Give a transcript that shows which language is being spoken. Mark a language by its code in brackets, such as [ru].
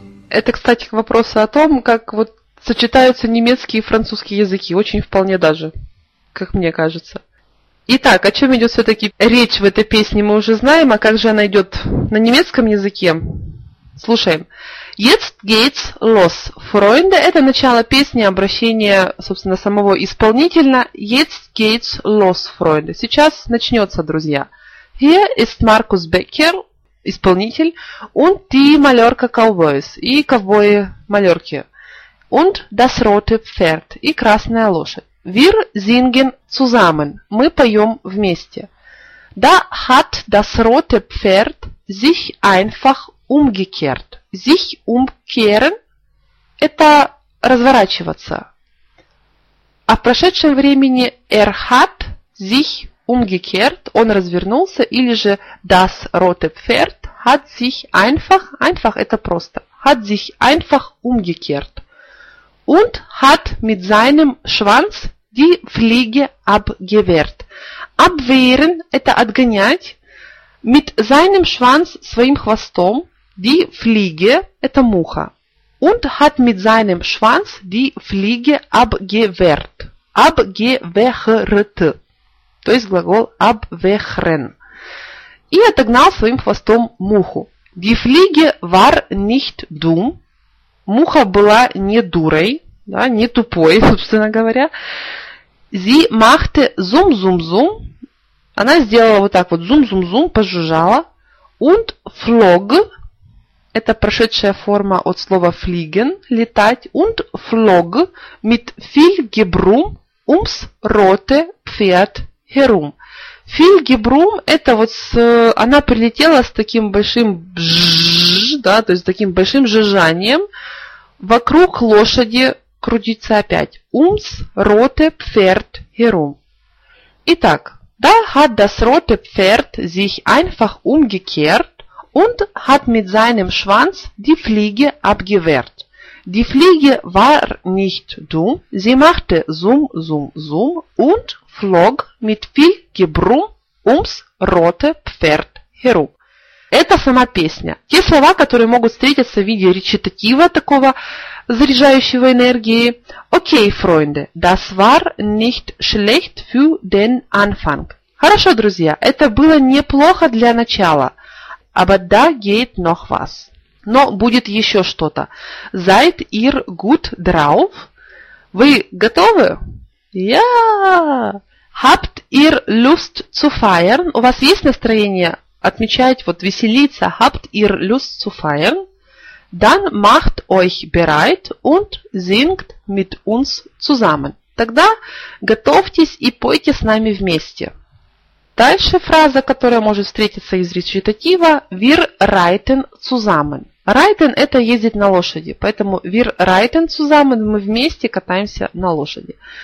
[ru] Это, кстати, к вопросу о том, как вот сочетаются немецкие и французские языки, очень вполне даже, как мне кажется. Итак, о чем идет все-таки речь в этой песне, мы уже знаем, а как же она идет на немецком языке? Слушаем. [de] Jetzt geht's los, Freunde. [ru] Это начало песни, обращение, собственно, самого исполнителя. [de] Jetzt geht's los, Freunde. [ru] Сейчас начнется, друзья. [de] Hier ist Markus Becker, [ru] исполнитель. [de] Und die Mallorca Cowboys. [ru] И ковбои Мальорки. [de] Und das rote Pferd. [ru] И красная лошадь. [de] Wir singen zusammen. [ru] Мы поем вместе. [de] Da hat das rote Pferd sich einfach umgekehrt. Sich umkehren [ru] – это разворачиваться. А в прошедшем времени [de] er hat sich umgekehrt [ru] – он развернулся. Или же [de] das rote Pferd hat sich einfach – einfach – [ru] это просто. [de] Hat sich einfach umgekehrt. Und hat mit seinem Schwanz die Fliege abgewehrt. Abwehren [ru] – это отгонять. [de] Mit seinem Schwanz – [ru] своим хвостом. [de] Die Fliege [ru] – это муха. [de] Und hat mit seinem Schwanz die Fliege abgewehrt. Abgewehrt. [ru] То есть глагол abwehren. И отогнал своим хвостом муху. [de] Die Fliege war nicht dumm. [ru] Муха была не дурой. Да, не тупой, собственно говоря. [de] Sie machte zum-zum-zum. [ru] Она сделала вот так вот, zum-zum-zum, пожужжала. [de] Und flog. [ru] Это прошедшая форма от слова fliegen, летать. [de] Und flog mit viel Gebrumm ums rote Pferd herum. Viel Gebrumm, [ru] это вот с, она прилетела с таким большим бжж, да, то есть таким большим жужжанием вокруг лошади. Крутится опять. [de] Ums rote Pferd herum. [ru] Итак, [de] da hat das rote Pferd sich einfach umgekehrt und hat mit seinem Schwanz die Fliege abgewehrt. Die Fliege war nicht dumm, sie machte zum, zum, zum und flog mit viel Gebrumm ums rote Pferd herum. [ru] Это сама песня. Те слова, которые могут встретиться в виде речитатива такого, заряжающего энергии. [de] Окей, Freunde, das war nicht schlecht für den Anfang. [ru] Хорошо, друзья, это было неплохо для начала. [de] Aber da geht noch was. [ru] Но будет еще что-то. [de] Seid ihr gut drauf? [ru] Вы готовы? [de] Ja! Habt ihr Lust zu feiern? [ru] У вас есть настроение отмечать, вот веселиться? [de] Habt ihr Lust zu feiern? Dann macht euch bereit und singt mit uns zusammen. [ru] Тогда готовьтесь и пойте с нами вместе. Дальше фраза, которая может встретиться из речитатива. [de] Wir reiten zusammen. [ru] Reiten – это ездить на лошади. Поэтому [de] wir reiten zusammen [ru] – мы вместе катаемся на лошади.